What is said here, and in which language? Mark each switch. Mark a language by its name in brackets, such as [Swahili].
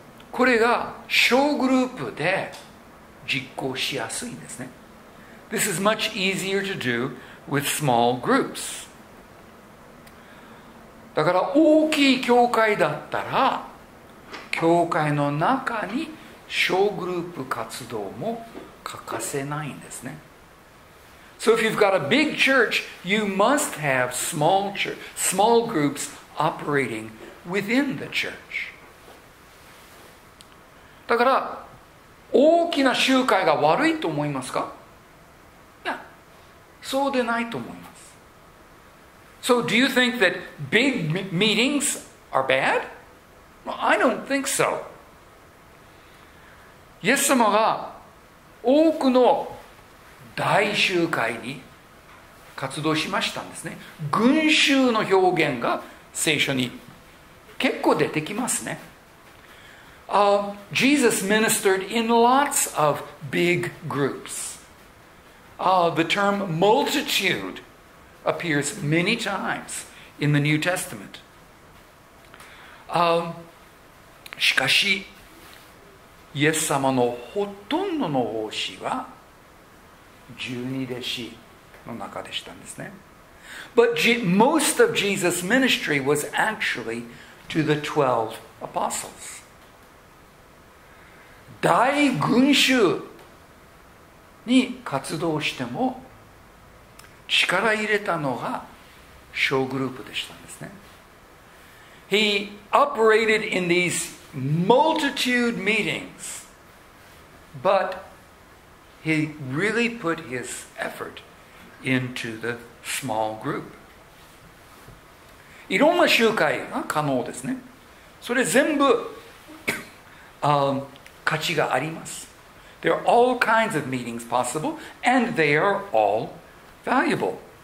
[Japanese] これが小グループで実行しやすいんですね。 [English] This is much easier to do with small groups. [Japanese] だから大きい教会だったら教会の中に小グループ活動も欠かせないんですね。 [English] So if you've got a big church, you must have small groups operating within the church. [Japanese] だから大きな集会が悪いと思いますか？いや、そうでないと思います。 [English] So do you think that big meetings are bad? Well, I don't think so. [Japanese] イエス様が多くの大集会に活動しましたんですね。群衆の表現が聖書に結構出てきますね。 [English] Jesus ministered in lots of big groups. The term multitudeappears many times in the New Testament. [Japanese] しかし、イエス様のほとんどの奉仕は十二弟子の中でしたんですね。 [English] But most of Jesus' ministry was actually to the 12 apostles. [Japanese] 大群衆に活動しても力入れたのが小グループでしたんですね。 [English] He operated in these multitude meetings, but he really put his effort into the small group. [Japanese] いろんな集会が可能ですね。それ全部価値があります。 [English] There are all kinds of meetings possible, and they are all valuable.